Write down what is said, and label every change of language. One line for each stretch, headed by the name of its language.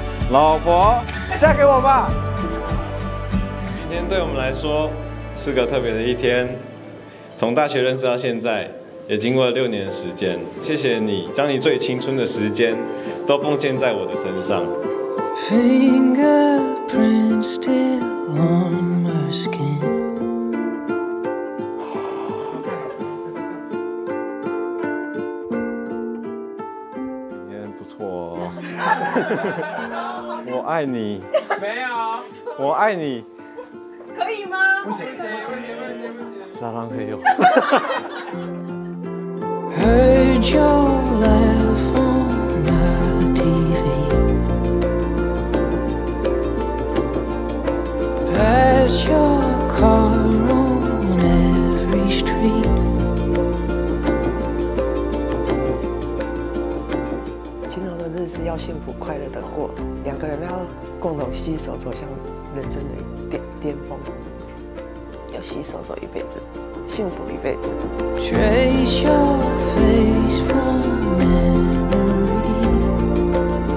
Chinese: 老婆，嫁给我吧。今天对我们来说是个特别的一天，从大学认识到现在也经过了6年的时间，谢谢你将你最青春的时间都奉献在我的身上。
English: Fingerprints still on my skin.
Chinese: 今天不错哦。我爱你。没有，我爱你。可以吗？不行，沙浪可以用。
English: Heard your laugh on my TV. Pass your car on every street.
Chinese: 勤劳的日子要幸福快乐的过，两个人要共同携手走向人生的巅峰。要携手走一辈子，幸福一辈子。
English: Trace your face from memory.